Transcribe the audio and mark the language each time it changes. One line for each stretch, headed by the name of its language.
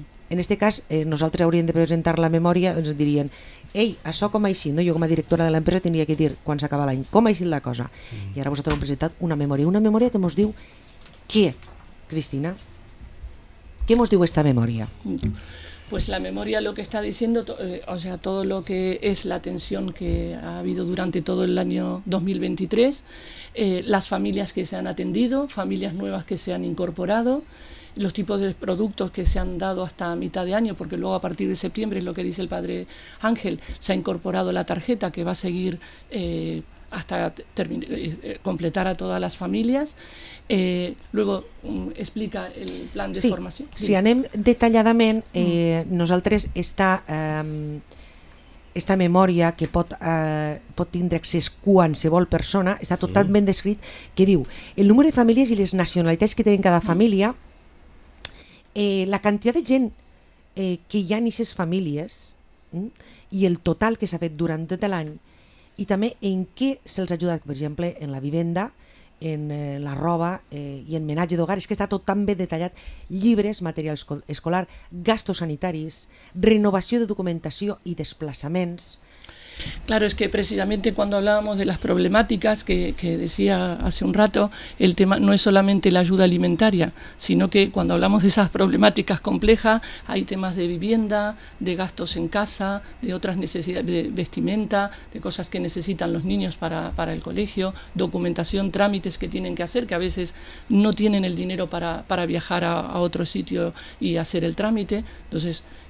Catalan: En aquest cas, nosaltres hauríem de presentar la memòria, ens dirien, ei, això com ha sigut, no? Jo com a directora de l'empresa tindria que dir quan s'acaba l'any, com ha sigut la cosa. I ara vosaltres hem presentat una memòria que ens diu què, Cristina? Què ens diu esta memòria?
Spanish: Pues la memoria lo que está diciendo, o sea, todo lo que es la atención que ha habido durante todo el año 2023, las familias que se han atendido, familias nuevas que se han incorporado, los tipos de productos que se han dado hasta mitad de año, porque luego a partir de septiembre, es lo que dice el padre Ángel, se ha incorporado la tarjeta que va a seguir hasta completar a todas las familias. Luego explica el plan de formación.
Catalan: Sí. Si anem detalladament, nosaltres està aquesta memòria que pot tindre accés qualsevol persona està totalment descrit, que diu el número de famílies i les nacionalitats que tenen cada família, la quantitat de gent que hi ha en aquestes famílies i el total que s'ha fet durant tot l'any, i també en què se'ls ha ajudat, per exemple, en la vivenda, en la roba i en menatge d'hogar. És que està tot tan ben detallat. Llibres, material escolar, gastos sanitaris, renovació de documentació i desplaçaments.
Spanish: Claro, es que precisamente cuando hablábamos de las problemáticas que decía hace un rato, el tema no es solamente la ayuda alimentaria, sino que cuando hablamos de esas problemáticas complejas, hay temas de vivienda, de gastos en casa, de otras necesidades, de vestimenta, de cosas que necesitan los niños para el colegio, documentación, trámites que tienen que hacer, que a veces no tienen el dinero para viajar a otro sitio y hacer el trámite, entonces...